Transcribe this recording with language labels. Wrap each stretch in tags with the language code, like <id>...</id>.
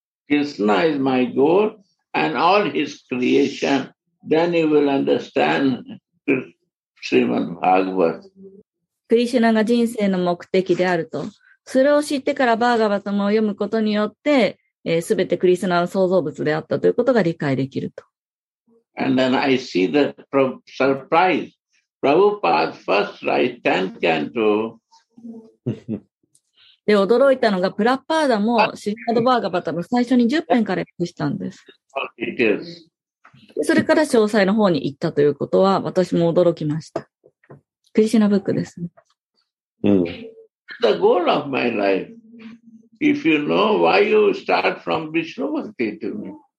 <en>Krishna is my goal and all his creation. Then you will understand Srimad Bhagavat.</en> <ja>クリシュナが人生の目的であると。それを知ってからバーガバタムを読むことによって、すべてクリスナの創造物であったということが理解できると。</ja> <en>And then I see the surprise. Prabhupada first write 10 canto.</en> <ja>で、驚いたのが、プラッパーダもシッカド・バーガバタム最初に10編から訳したんです。</ja> <en>It is.</en> <ja>それから詳細の方に行ったということは、私も驚きました。クリシナブックですね。</ja> <en>Mm. The goal of my life. If you know why you start from Vishnubhakti to me.</en>